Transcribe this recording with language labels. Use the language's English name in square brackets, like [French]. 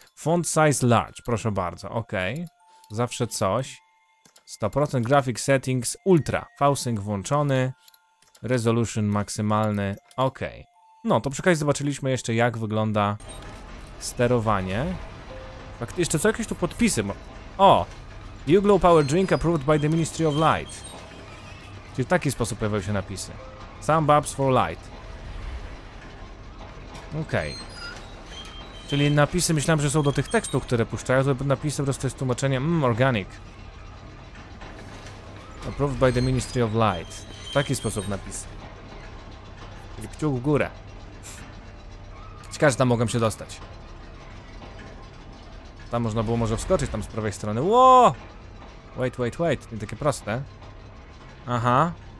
[English] Font Size Large. [Polish] Proszę bardzo. OK. Zawsze coś. [English] 100% Graphic Settings. Ultra. VSync [Polish] włączony. Resolution maksymalny. OK. No, to przekaźnie zobaczyliśmy jeszcze, jak wygląda sterowanie. Fakt, jeszcze co, jakieś tu podpisy. O! [English] Juglow Power Drink approved by the Ministry of Light. [Polish] Czyli w taki sposób pojawiają się napisy. [English] Some bubs for light. [Polish] Okej. Okay. Czyli napisy, myślałem, że są do tych tekstów, które puszczają. To napisy po prostu jest tłumaczenie, organic. [English] Approved by the Ministry of Light. [Polish] W taki sposób napisy. Czyli kciuk w górę. Ciekawe, że tam mogłem się dostać. Tam można było może wskoczyć, tam z prawej strony. Łooo! [English] Wait, [Polish] nie takie proste. Aha.